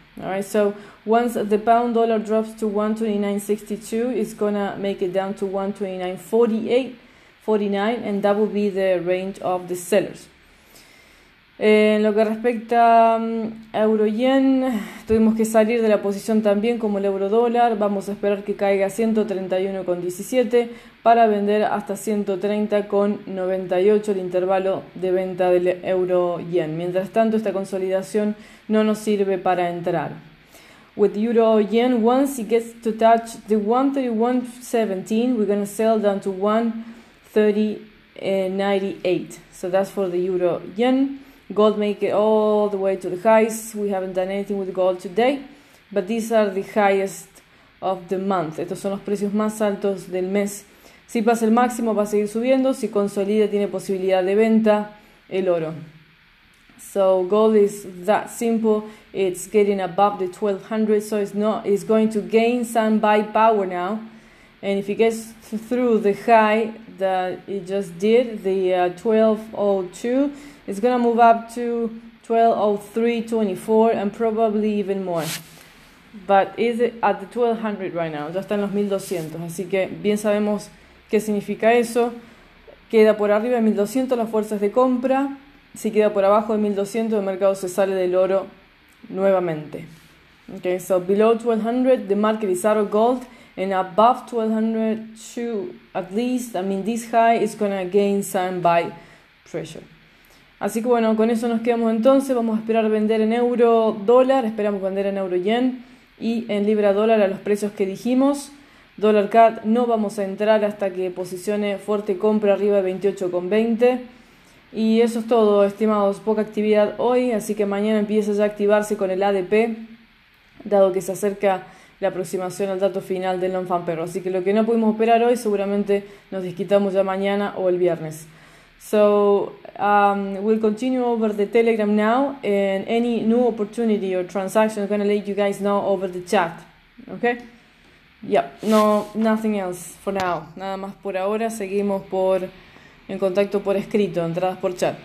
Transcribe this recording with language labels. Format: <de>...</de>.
<en>All right, so once the pound dollar drops to 1.29.62, it's gonna make it down to 1.29.48.49, and that will be the range of the sellers.</en> <es>En lo que respecta a euro yen, tuvimos que salir de la posición también como el euro dólar. Vamos a esperar que caiga a 131.17 para vender hasta 130.98 el intervalo de venta del euro yen. Mientras tanto, esta consolidación no nos sirve para entrar.</es> <en>With euro yen, once it gets to touch the 131.17, we're going to sell down to 130.98. So that's for the euro yen. Gold make it all the way to the highs. We haven't done anything with gold today, but these are the highest of the month.</en> <es>Estos son los precios más altos del mes. Si pasa el máximo, va a seguir subiendo. Si consolida, tiene posibilidad de venta el oro.</es> <en>So gold is that simple. It's getting above the 1200, so it's going to gain some buy power now. And if it gets through the high that it just did, the 1202, it's gonna move up to 1203.24 and probably even more. But is it at the 1200 right now? Ya está en los 1200.</en> <es>Así que bien sabemos qué significa eso. Queda por arriba de 1200 las fuerzas de compra. Si queda por abajo de 1200, el mercado se sale del oro nuevamente.</es> <en>Okay, so below 1200, the market is out of gold. And above 1202, at least, I mean, this high is gonna gain some buy pressure.</en> <es>Así que bueno, con eso nos quedamos entonces. Vamos a esperar vender en euro dólar, esperamos vender en euro yen y en libra dólar a los precios que dijimos. Dólar CAD no vamos a entrar hasta que posicione fuerte compra arriba de 28.20. Y eso es todo, estimados. Poca actividad hoy, así que mañana empieza ya a activarse con el ADP, dado que se acerca la aproximación al dato final del non-farm payroll. Así que lo que no pudimos operar hoy, seguramente nos desquitamos ya mañana o el viernes.</es> <en>So, we'll continue over the Telegram now, and any new opportunity or transaction, I'm gonna let you guys know over the chat, okay?</en> <es>Yep, no, nothing else for now. Nada más por ahora, seguimos en contacto por escrito, entradas por chat.</es>